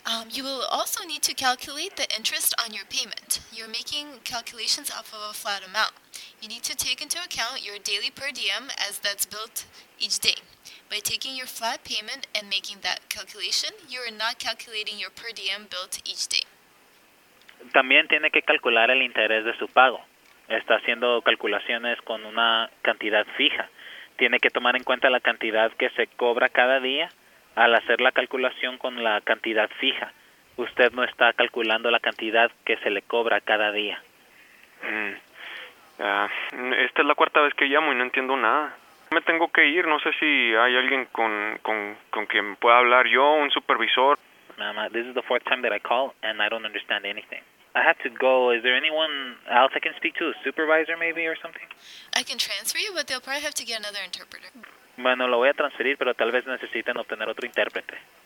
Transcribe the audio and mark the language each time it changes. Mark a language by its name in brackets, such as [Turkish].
[English] You will also need to calculate the interest on your payment. You're making calculations off of a flat amount. You need to take into account your daily per diem as that's built each day. By taking your flat payment and making that calculation, you are not calculating your per diem built each day. [Spanish] También tiene que calcular el interés de su pago. Está haciendo calculaciones con una cantidad fija. Tiene que tomar en cuenta la cantidad que se cobra cada día. Al hacer la calculación con la cantidad fija, usted no está calculando la cantidad que se le cobra cada día. Esta es la cuarta vez que llamo y no entiendo nada. Me tengo que ir, no sé si hay alguien con quien pueda hablar yo, un supervisor. [English] Mama, this is the fourth time that I call and I don't understand anything. I have to go. Is there anyone else I can speak to, a supervisor maybe or something? I can transfer you, but they'll probably have to get another interpreter. [Spanish] Bueno, lo voy a transferir, pero tal vez necesiten obtener otro intérprete.